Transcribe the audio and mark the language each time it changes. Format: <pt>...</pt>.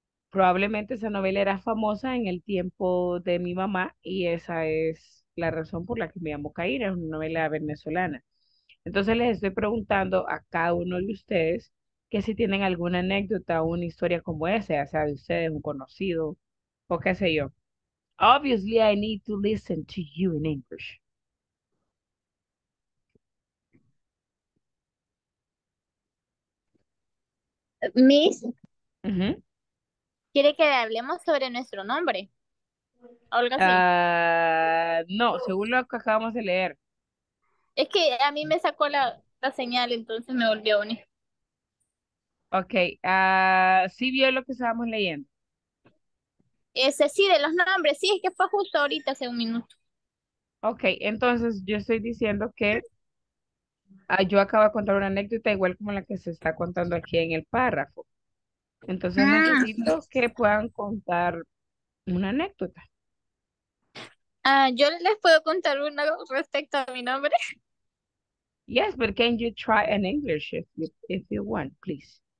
<es>Probablemente esa novela era famosa en el tiempo de mi mamá y esa es la razón por la que me llamo Caína, es una novela venezolana. Entonces les estoy preguntando a cada uno de ustedes que si tienen alguna anécdota o una historia como esa, ya sea de ustedes, un conocido, o qué sé yo.</es> <en>Obviously, I need to listen to you in English. Miss? Mm-hmm.</en> <es>¿Quiere que hablemos sobre nuestro nombre? No, según lo que acabamos de leer. Es que a mí me sacó la señal, entonces me volvió a unir. Ok, ¿sí vio lo que estábamos leyendo? Ese sí, de los nombres, sí, es que fue justo ahorita, hace un minuto. Ok, entonces yo estoy diciendo que yo acabo de contar una anécdota igual como la que se está contando aquí en el párrafo. Entonces necesito que puedan contar una anécdota. Yo les puedo contar una respecto a mi nombre.</es> <en>Yes, but can you try in English if you want, please?</en>